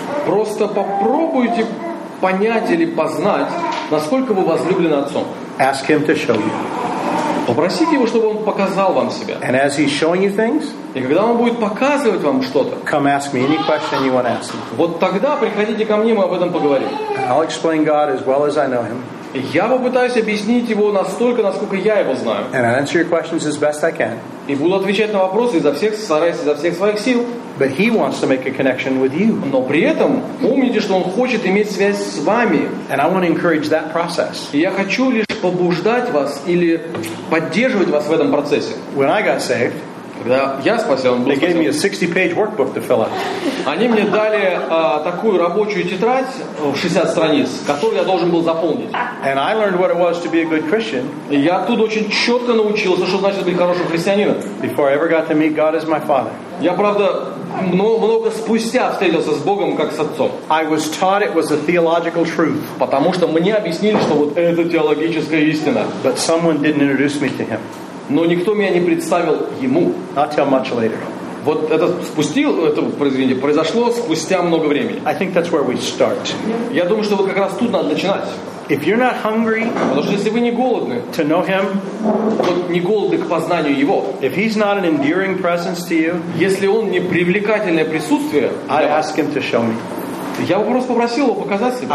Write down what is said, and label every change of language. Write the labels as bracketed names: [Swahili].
[Russian] Просто попробуйте понять или познать, насколько вы возлюблены Отцом. [English] Ask him to show you. [Russian] Попросите его, чтобы он показал вам себя. [English] And as he's showing you things, [Russian] и когда он будет показывать вам что-то, [English] come ask me any question you want to ask him. [Russian] Вот тогда приходите ко мне, мы об этом поговорим. [English] I'll explain God as well as I know him. [Russian] Я попытаюсь объяснить его настолько, насколько я его знаю. [English] And I'll answer your questions as best I can. [Russian] И буду отвечать на вопросы изо всех, стараясь изо всех своих сил. [English] But he wants to make a connection with you. [Russian] Но при этом помните, что он хочет иметь связь с вами. [English] And I want to encourage that process. [Russian] И я хочу лишь побуждать вас или поддерживать вас в этом процессе. [English] When I got saved, [Russian] когда я спасен, [English] they gave me a 60-page workbook to fill out. [Russian] Они мне дали такую рабочую тетрадь в 60 страниц, которую я должен был заполнить. [English] And I learned what it was to be a good Christian. [Russian] И я оттуда очень четко научился, что значит быть хорошим христианином. [English] Before I ever got to meet God as my Father. [Russian] Я, правда, много спустя встретился с Богом как с Отцом. [English] I was taught it was a theological truth. [Russian] Потому что мне объяснили, что вот это теологическая истина. [English] But someone didn't introduce me to him. [Russian] Но никто меня не представил ему. [English] I'll tell much later. [Russian] Вот это произошло спустя много времени. [English] I think that's where we start. [Russian] Я думаю, что вот как раз тут надо начинать. [English] If you're not hungry, [Russian] потому что если вы не голодны, [English] to know him, [Russian] вот не голодны к познанию его, [English] if he's not an endearing presence to you, [Russian] если он не привлекательное присутствие, [English] I'd ask him to show me. [Russian] Я бы просто попросил его показать себя.